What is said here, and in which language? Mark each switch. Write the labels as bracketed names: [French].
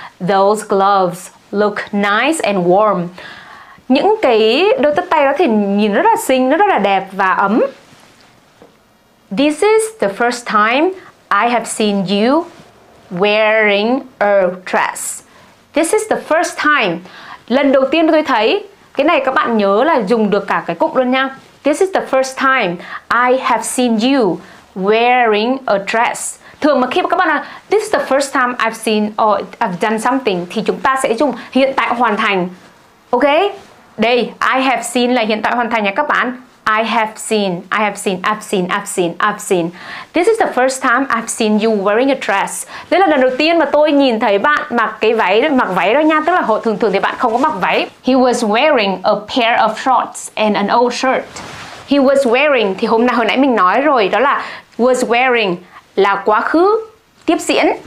[English] Those gloves look nice and warm. [Vietnamese] Những cái đôi tất tay đó thì nhìn rất là xinh, nó rất là đẹp và ấm. [English] This is the first time I have seen you wearing a dress. This is the first time. [Vietnamese] Lần đầu tiên tôi thấy, cái này các bạn nhớ là dùng được cả cái cụm luôn nha. [English] This is the first time I have seen you wearing a dress. [Vietnamese] Thường mà khi mà các bạn là [English] this is the first time I've seen or I've done something [Vietnamese] thì chúng ta sẽ dùng hiện tại hoàn thành. Ok? Đây, [English] I have seen [Vietnamese] là hiện tại hoàn thành nha các bạn. [English] I've seen. This is the first time I've seen you wearing a dress. [Vietnamese] Đây là lần đầu tiên mà tôi nhìn thấy bạn mặc cái váy, mặc váy đó nha. Tức là thường thường thì bạn không có mặc váy. [English] He was wearing a pair of shorts and an old shirt. He was wearing, [Vietnamese] thì hôm nay hồi nãy mình nói rồi, đó là was wearing là quá khứ tiếp diễn.